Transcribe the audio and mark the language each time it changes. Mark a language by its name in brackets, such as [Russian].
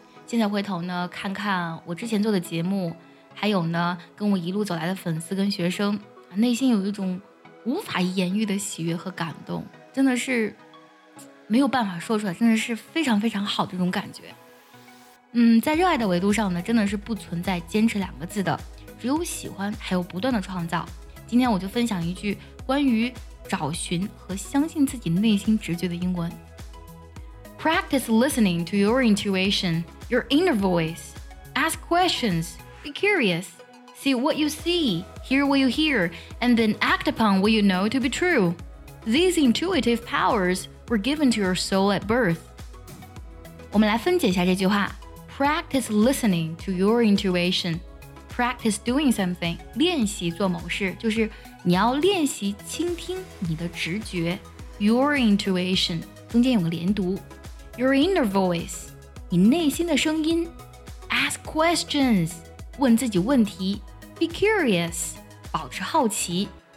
[Chinese] 现在回头呢看看我之前做的节目，还有呢跟我一路走来的粉丝跟学生，内心有一种无法言喻的喜悦和感动，真的是没有办法说出来，真的是非常非常好的一种感觉。在热爱的维度上呢，真的是不存在坚持两个字的，只有喜欢还有不断的创造。今天我就分享一句关于找寻和相信自己内心直觉的英文。 [English] Practice listening to your intuition, your inner voice. Ask questions, be curious. See what you see, hear what you hear, and then act upon what you know to be true. These intuitive powers were given to your soul at birth. [Chinese] 我们来分解一下这句话。 Practice listening to your intuition. Practice doing something, 练习做某事，就是你要练习倾听你的直觉 , your intuition, 中间有个连读 , your inner voice, 你内心的声音 , ask questions, 问自己问题 , be curious, 保持好奇。